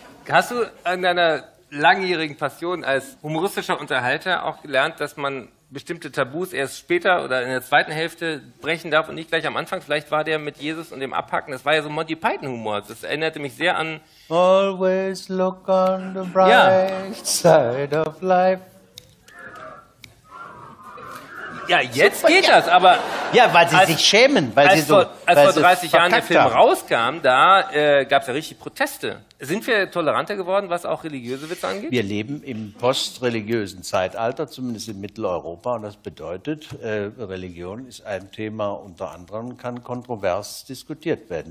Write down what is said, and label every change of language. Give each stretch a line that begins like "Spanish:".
German: Hast du an deiner langjährigen Passion als humoristischer Unterhalter auch gelernt, dass man bestimmte Tabus erst später oder in der zweiten Hälfte brechen darf und nicht gleich am Anfang? Vielleicht war der mit Jesus und dem Abhacken, das war ja so Monty Python-Humor, das erinnerte mich sehr an...
English: Always look on the bright side of life.
German: Ja, jetzt super, geht das, aber... Ja, weil sie sich schämen, weil sie so... Als vor 30 Jahren der Film rauskam, da gab es ja richtig Proteste. Sind wir toleranter geworden, was auch religiöse Witze angeht? Wir leben im postreligiösen Zeitalter, zumindest in Mitteleuropa. Und das bedeutet, Religion ist ein Thema unter anderem, kann kontrovers diskutiert werden.